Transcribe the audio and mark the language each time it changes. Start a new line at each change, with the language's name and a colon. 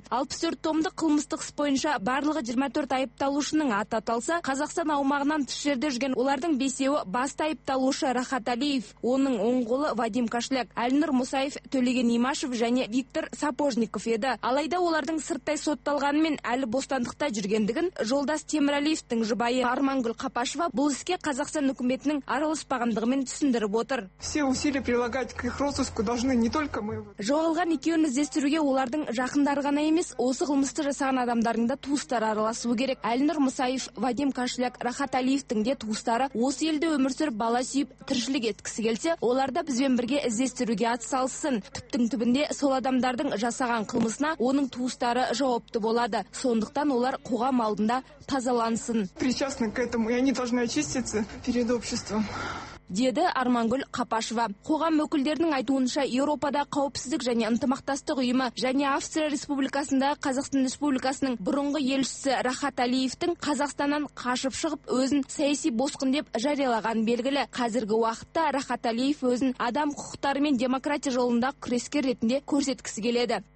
Kazakh: 64 томдық қылмыстық іс бойынша барлығы 24 айыпталушының аты аталса, Қазақстан аумағынан тыс жерде жүрген олардың бесеуі басты айыпталушы Рахат Алиев, оның оң қолы Вадим Кашляк, Әлінұр Мұсаев, Төлеген Имашев және Виктор Сапожников еді. Алайда олардың сырттай сотталғанымен әлі бостандықта жүргендігін Жолдас Темірәлиевтің жұбайы Армангүл Қапашева бұл іске Қазақстан үкіметінің араласпағандығымен түсіндіріп отыр.
Russian: Все усилия прилагать к их розыску должны не только мы.
Kazakh: Жоғалған екеуін іздестіруге олардың жақындары ғана емес, осы қылмысты жасаған адамдардың да туыстары араласуы керек. Әлінұр Мұсаев, Вадим Кашляк, Рахат Алиевтің де туыстары осы елде өмір сүріп, бала сүйіп, тіршілік еткісі келсе, олар да бізбен бірге іздестіруге атсалсын. Түптің түбінде сол адамдардың жасаған қылмысына оның туыстары жауапты болады. Сондықтан олар қоғам алдында тазалансын.
Russian: Причастны к этому, и они должны очиститься перед обществом.
Kazakh: Деді Армангүл Қапашева. Қоғам өкілдерінің айтуынша, Еуропада қауіпсіздік және ынтымақтастық ұйымы және Австрия Республикасында Қазақстан Республикасының бұрынғы елшісі Рахат Алиевтің Қазақстаннан қашып шығып, өзін саяси босқын деп жариялаған белгілі. Қазіргі уақытта Рахат Алиев өзін адам құқықтары мен демократия жолында күрескер ретінде көрсеткісі келеді.